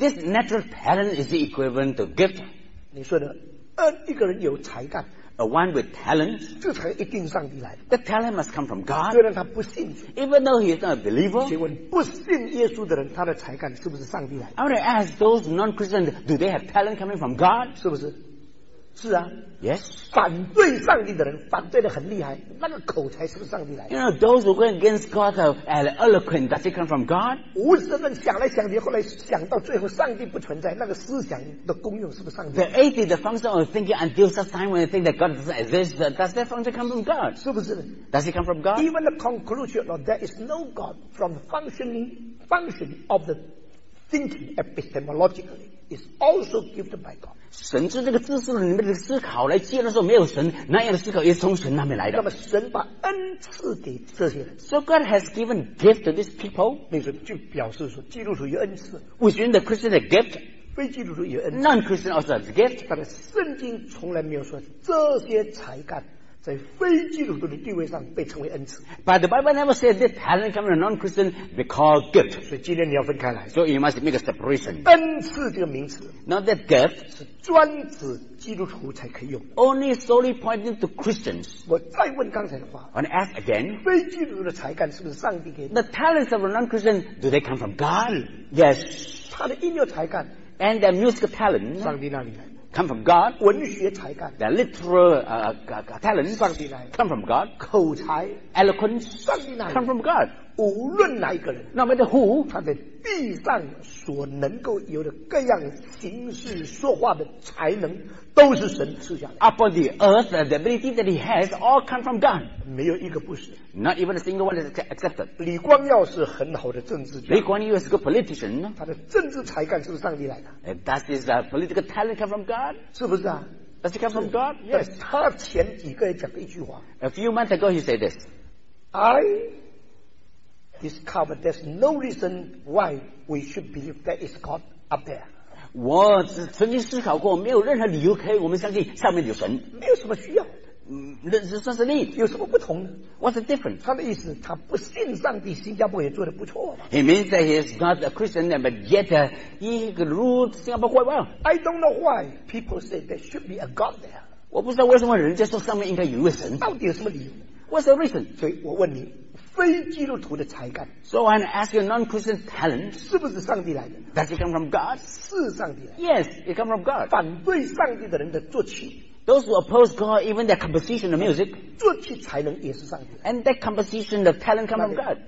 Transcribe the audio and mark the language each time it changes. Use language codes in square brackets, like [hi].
[en] this natural talent is equivalent to gift [zh] 你说的一个人有才干 [en] a one with talent [zh] 这才一定上帝来的 [en] the talent must come from God [zh] 虽然他不信 [en] even though he is not a believer [zh] 请问不信耶稣的人他的才干是不是上帝来的 [en] I want to ask those non-Christians do they have talent coming from God [zh] 是不是是啊 [en] ，Yes， [zh] 反对上帝的人反对的很厉害，那个口才是不是上帝来的 [en] ？You know those who go against God are eloquent. Does it come from God？ [zh] 无知的人想来想去，后来想到最后，上帝不存在，那个思想的功用是不是上帝 [en] ？The atheist, the function of thinking until such time when they think that God doesn't exist, does that function come from God？ [zh] 是不是 [en] ？Does it come from God？ Even the conclusion of there is no God from the function of the thinking epistemologically is also given by God。 [zh] 神是这个知识里面的思考来接的时候没有神那样的思考也是从神那边来的那么神把恩赐给这些人 [en] So God has given gift to these people [zh] 那时候就表示说基督徒有恩赐 [en] Within the Christian a gift [zh] 非基督徒有恩赐 [en] Non-Christian also has a gift [zh] 但是圣经从来没有说这些才干在非基督徒的地位上被称为恩赐 [en] But the Bible never said that talent coming from non-Christian be called gift [zh] 所以今天你要分开来 [en] So you must make a separation [zh] 恩赐这个名词 [en] Not that gift [zh] 是专指基督徒才可以用 [en] Only solely pointing to Christians [zh] 我再问刚才的话 [en] I want to ask again [zh] 非基督徒的才干是不是上帝给的 [en] The talents of a non-Christian do they come from God? Yes [zh] 他的音乐才干 [en] And their musical talent [zh] 上帝那里来 [en] Come from God. [zh] 文学才干 [en] The literal talent. [zh] 上帝来 [en] Come from God. [zh] 口才 [en] Eloquence. [zh] 上帝来 [en] Come from God. [zh] 无论哪一个人 [en] No matter who. [zh] 他在地上所能够有的各样形式说话的才能都是神赐下来 [en] Upon the earth, the ability that he has all come from God. [zh] 没有一个不是 [en] Not even a single one is accepted. [zh] 李光耀是很好的政治家 [en] 李光耀 is a good politician. [zh] 他的政治才干是不是上帝来的 [en] Does his political talent come from God? God? [zh] 是不是啊 [en] Does it come from God? [zh] Yes 他前几个月讲了一句话 [en] A few months ago he said this I discovered there's no reason why we should believe there is God up there [zh] 我曾经思考过没有任何理由可以我们相信上面有神没有什么需要这算是 need 有什么不同 [en] What's the difference? [zh] 他的意思他不信上帝新加坡也做得不错 [en] He means that he is not a Christian but yet he could rule Singapore quite well I don't know why people say there should be a God there [zh] 我不知道为什么人家说上面应该有一位神到底有什么理由 [en] What's the reason? [zh] 所以我问你非基督徒的才干 [en] So I want to ask you non-Christian talent [zh] 是不是上帝来的 [en] Does it come from God? [zh] 是上帝来的 [en] Yes, it comes from God [zh] 反对上帝的人的作曲 [en] Those who oppose God, even their composition of music, [zh] 作曲才能也是上帝。 [en] And that composition, the talent comes from God.